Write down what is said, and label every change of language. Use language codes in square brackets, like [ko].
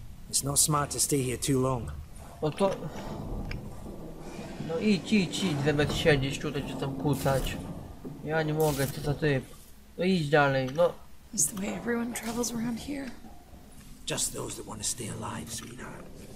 [en] It's not smart to stay here too long. [pl] No to... No idź, idź, idź, zamiast siedzieć tutaj czy tam kucać. Ja nie mogę, co za typ. No idź dalej, no. [en] Is the way everyone travels around here? Just those that want to stay alive, sweetheart.